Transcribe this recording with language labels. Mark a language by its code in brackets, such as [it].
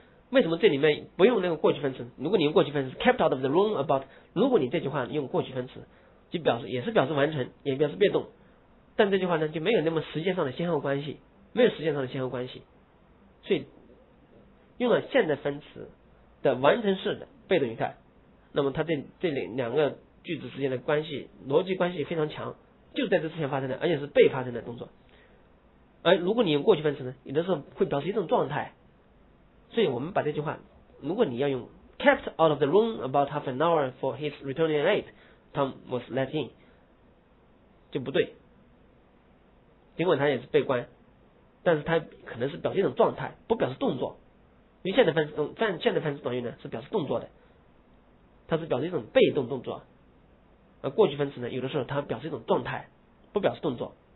[zh] 为什么这里面不用那个过去分词？如果你用过去分词 [en] kept out of the room about， [zh] 如果你这句话用过去分词，就表示也是表示完成，也表示被动，但这句话呢就没有那么时间上的先后关系，没有时间上的先后关系，所以用了现在分词的完成式的被动语态，那么它这里两个句子之间的关系，逻辑关系非常强，就是在这之前发生的，而且是被发生的动作。而如果你用过去分词呢，有的时候会表示一种状态，所以我们把这句话如果你要用 [en] kept out of the room about half an hour for his returning late, Tom was let in, [zh] 就不对。尽管他也是被关，但是他可能是表现一种状态，不表示动作。因为现在分词短语呢是表示动作的，它是表示一种被动动作，而过去分词呢有的时候它表示一种状态，不表示动作。